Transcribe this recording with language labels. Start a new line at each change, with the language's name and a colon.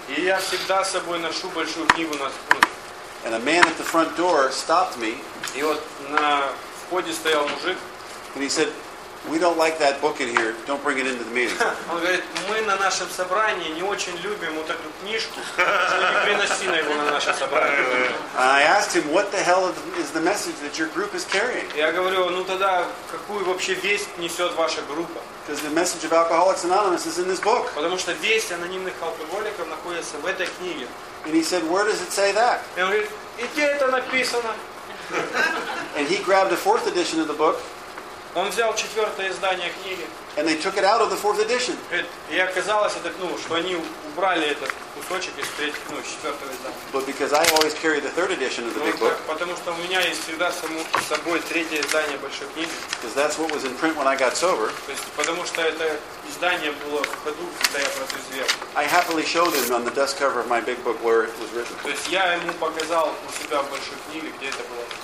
Russian: И я всегда с собой ношу большую книгу на спине.
English: And a man at the front door stopped me.
Russian: И вот на входе стоял мужик.
English: And he said, "We don't like that book in here. Don't bring it into the meeting."
Russian: Он говорит, мы на нашем собрании не очень любим вот эту книжку, не приноси на его на наше собрание.
English: I asked him, "What the hell is the message that your group is carrying?"
Russian: Я говорю, ну тогда какую вообще весть несет ваша группа?
English: Because the message of Alcoholics Anonymous is in this book.
Russian: Потому что весть анонимных алкоголиков находится в этой книге.
English: And he said, "Where does it say that?"
Russian: И он говорит, и где это написано?
English: And he grabbed a fourth edition of the book.
Russian: Он взял четвертое издание книги.
English: And they took it out of the fourth edition.
Russian: И оказалось, это, ну, что они убрали этот кусочек из третьего, ну, четвертого издания.
English: But because I always carry the third edition of the big book.
Russian: Потому что у меня есть всегда с собой третье издание большой книги.
English: Because that's what was in print when I got sober.
Russian: То есть, потому что это издание было в ходу, когда я протрезвел.
English: I happily showed him on the dust cover of my big book where it was written.
Russian: То есть я ему показал у себя в большой книге, где это было.